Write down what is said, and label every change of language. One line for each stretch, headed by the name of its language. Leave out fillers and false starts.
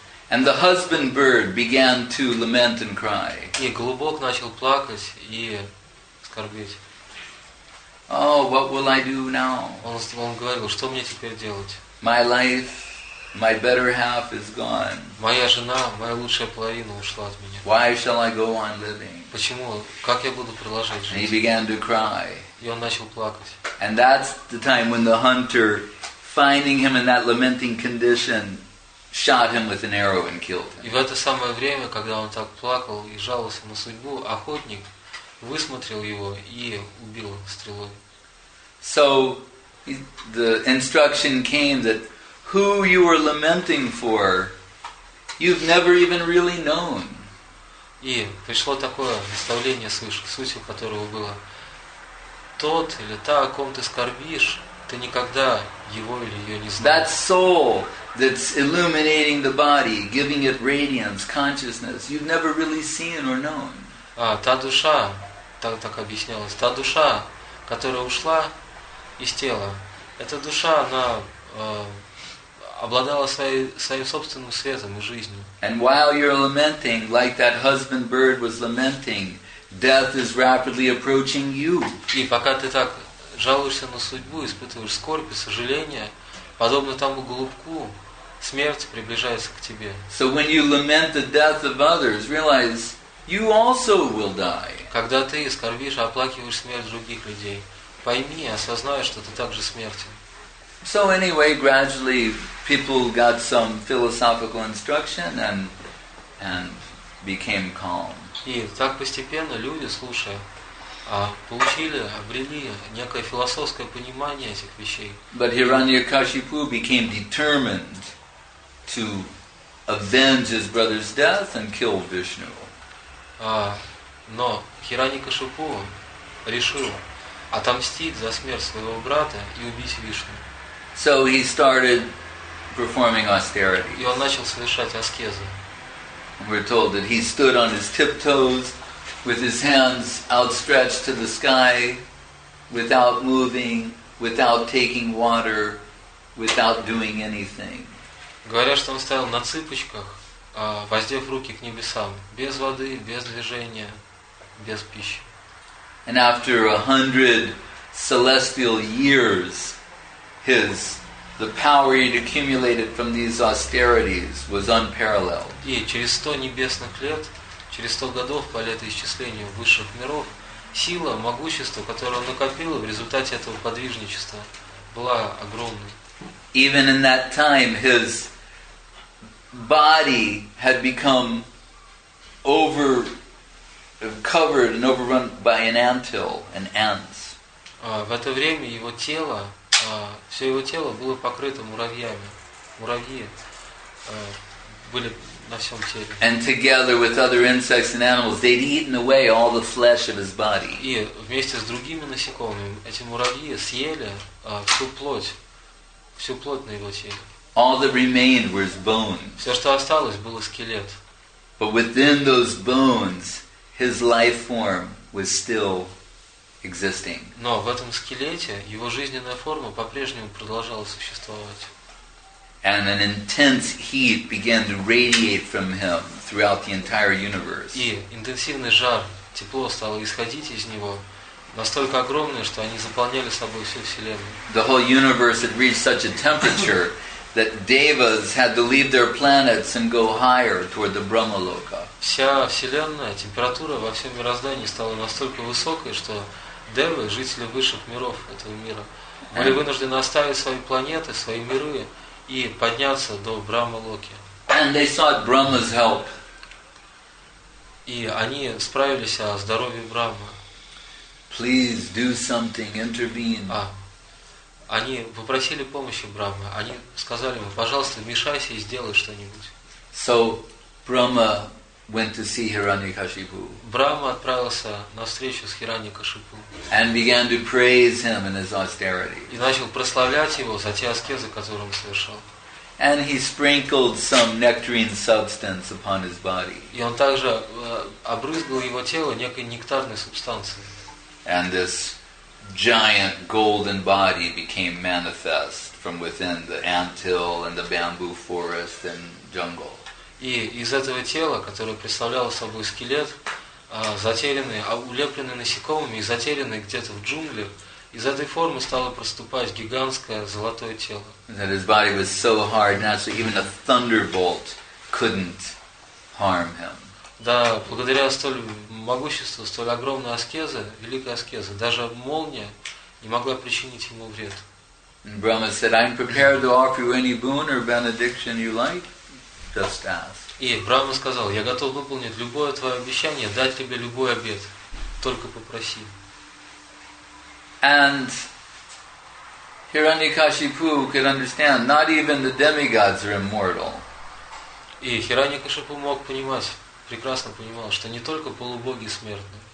English: And the husband bird began to lament and cry.
Russian: И голубок начал плакать и скорбеть.
English: Oh, what will I do now?
Russian: Он говорил, что мне теперь делать?
English: My life, my better half is gone.
Russian: Моя жена, моя лучшая половина ушла от меня.
English: Why shall I go on living?
Russian: Почему? Как я буду продолжать жить?
English: And he began to cry.
Russian: И он начал плакать.
English: And that's the time when the hunter, finding him in that lamenting condition, shot him with an arrow and killed him.
Russian: И в это самое время, когда он так плакал и жаловался на судьбу, охотник высмотрел его и убил стрелой.
English: So the instruction came that who you were lamenting for, you've never even really known.
Russian: И пришло такое наставление свыше, суть которого было: тот или та, о ком ты скорбишь, ты никогда его или ее не знал.
English: That soul that's illuminating the body, giving it radiance, consciousness, you've never really seen or known.
Russian: А та душа, так объяснялось, та душа, которая ушла из тела, эта душа, она обладала своим собственным светом и жизнью.
English: And while you're lamenting, like that husband bird was lamenting, death is rapidly approaching you.
Russian: И пока ты так жалуешься на судьбу, испытываешь скорбь и сожаление, подобно тому голубку, смерть приближается к тебе.
English: So when you lament the death of others, realize you also will die.
Russian: Когда ты скорбишь, оплакиваешь смерть других людей, пойми, осознай, что ты также смертен.
English: So anyway, gradually people got some philosophical instruction and became calm.
Russian: И так постепенно люди, слушая, получили, обрели некое философское понимание этих вещей.
English: But Hiranyakashipu became determined to avenge his brother's death and kill Vishnu.
Russian: Но Хираньякашипу решил отомстить за смерть своего брата и убить Вишну.
English: So he started performing austerities.
Russian: И он начал совершать аскезы.
English: We're told that he stood on his tiptoes, with his hands outstretched to the sky, without moving, without taking water, without doing anything.
Russian: Говорят, что он стоял на цыпочках, воздев руки к небесам, без воды, без движения, без пищи.
English: And after 100 celestial years, the power he'd accumulated from these austerities was unparalleled.
Russian: И через 100 небесных лет, через 100 годов по летоисчислению высших миров, сила, могущество, которое он накопил в результате этого подвижничества, была огромной.
English: Even in that time his body had become covered and overrun by an anthill and ants.
Russian: В это время его тело все его тело было покрыто муравьями. Муравьи были на всем теле.
English: And together with other insects and animals, they'd eaten away all the flesh of his body.
Russian: И вместе с другими насекомыми эти муравьи съели всю плоть на его теле.
English: All that remained were his bones.
Russian: Все, что осталось, было скелет.
English: But within those bones, his life form was still existing.
Russian: Но в этом скелете его жизненная форма по-прежнему продолжала существовать.
English: And an intense heat began to radiate from him throughout the entire universe.
Russian: И интенсивный жар, тепло стало исходить из него, настолько огромное, что они заполняли собой всю вселенную.
English: The whole universe had reached such a temperature that devas had to leave their planets and go higher toward the Brahmaloka.
Russian: Вся вселенная, температура во всем мироздании стала настолько высокой, что девы, жители высших миров этого мира, были вынуждены оставить свои планеты, свои миры и подняться до Брахмалоки.
English: And they sought Brahma's help.
Russian: И они справились о здоровье Брахмы.
English: Please do something, intervene.
Russian: Они попросили помощи Брахмы. Они сказали ему: пожалуйста, вмешайся и сделай что-нибудь.
English: So Brahma went to see Hiranyakashipu.
Russian: Брахма отправился на встречу с Хираньякашипу.
English: And began to praise him in his austerity.
Russian: И начал прославлять его за те аскезы, которые он совершал.
English: And he sprinkled some nectarine substance upon his body.
Russian: И он также обрызгал его тело некой нектарной субстанцией.
English: And this giant golden body became manifest from within the anthill and the bamboo forest and jungle.
Russian: И из этого тела, которое представляло собой скелет, затерянный, улепленный насекомыми и затерянный где-то в джунглях, из этой формы стало проступать гигантское золотое тело.
English: That his body was so hard, naturally, even a thunderbolt couldn't harm him.
Russian: Да, благодаря столь могуществу, столь огромной аскезе, великой аскезе, даже молния не могла причинить ему вред.
English: And Brahma said, I'm prepared to offer you any boon or benediction you like. Just ask.
Russian: И Брахма сказал, я готов выполнить любое твое обещание, дать тебе любой обет. Только попроси.
English: And Hiranyakashipu could understand, not even the demigods are immortal.
Russian: И Хираньякашипу мог понимать, прекрасно понимал, что не только полубоги смертны.